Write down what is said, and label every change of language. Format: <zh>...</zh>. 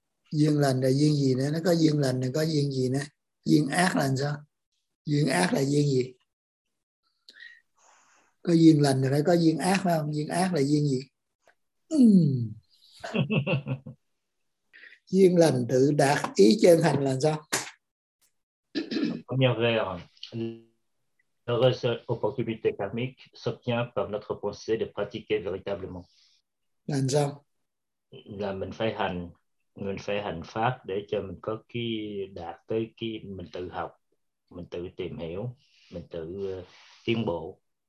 <vi>Duyên lành là duyên gì nữa? Nó có duyên lành là có duyên gì nữa? Duyên ác là sao? Duyên ác là duyên gì? Có duyên lành rồi có duyên ác phải không? Duyên ác là duyên gì? Duyên lành tự đạt ý chân hành là sao?</vi> <fr>Première vers. L'heureuse opportunité karmique s'obtient par notre pensée de pratiquer véritablement.</fr> <vi>Là sao? Là mình phải hành. Mình phải hành pháp để cho mình có cái đạt tới cái mình tự học. Mình tự tìm hiểu, mình tự tiến bộ.</vi>